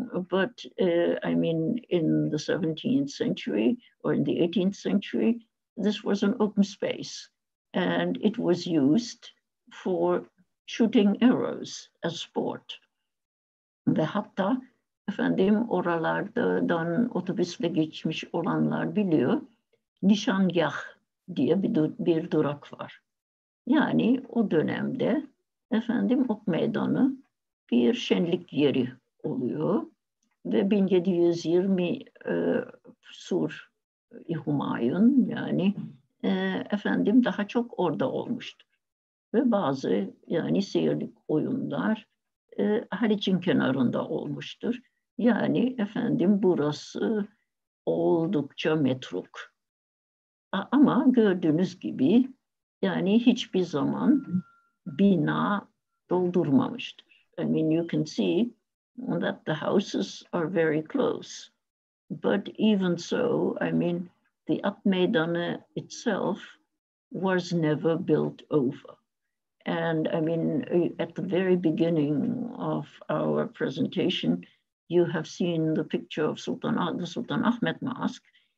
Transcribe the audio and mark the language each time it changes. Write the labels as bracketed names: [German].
[English] But I mean, in the 17th century or in the 18th century, this was an open space and it was used for shooting arrows as sport. [Turkish] Ve hatta efendim oralardan otobüsle geçmiş olanlar biliyor, nişangah diye bir durak var. Yani o dönemde efendim Ok Meydanı bir şenlik yeri oluyor ve 1720 Sur İhumayun yani efendim daha çok orada olmuştur. Ve bazı yani seyirlik oyunlar Haliç'in kenarında olmuştur. Yani efendim burası oldukça metruk. Ama gördüğünüz gibi yani hiçbir zaman bina doldurmamıştır. [English] I mean, you can see that the houses are very close. But even so, I mean, the At Meydanı itself was never built over. And I mean, at the very beginning of our presentation, you have seen the picture of the Sultan Ahmet Mosque.